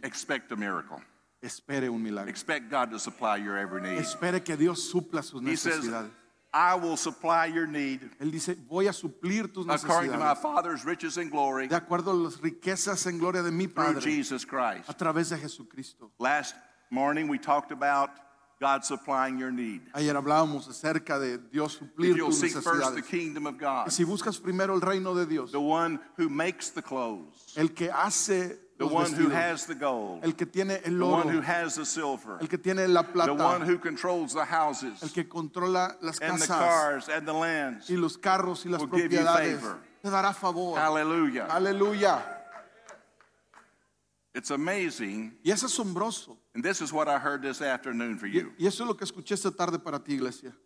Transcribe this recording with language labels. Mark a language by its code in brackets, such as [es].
[en] Expect a miracle. [es] Espere un milagro. [en] Expect God to supply your every need. [es] Espere que Dios supla sus necesidades. [en] I will supply your need. [es] Él dice, voy a suplir tus necesidades. [en] According to my Father's riches and glory. [es] De acuerdo a las riquezas en gloria de mi Padre. [en] Through Jesus Christ. [es] A través de Jesucristo. [en] Last morning we talked about God supplying your need. [es] Ayer hablábamos acerca de Dios suplir tus necesidades. [en] If you'll seek first the kingdom of God. [es] Si buscas primero el reino de Dios. [en] The one who makes the clothes. [es] El que hace. [en] The one who has the gold. [es] El que tiene el oro. [en] The one who has the silver. [es] El que tiene la plata. [en] The one who controls the houses. [es] El que controla las [en] and [es] casas. [en] The cars and the lands. [es] Y los carros y las [en] will [es] propiedades. [en] Give you favor. [es] Te dará favor. [en] Hallelujah. Hallelujah. It's amazing. [es] Y es asombroso. [en] And this is what I heard this afternoon for you. [es] Y eso es lo que escuché esta tarde para ti, iglesia.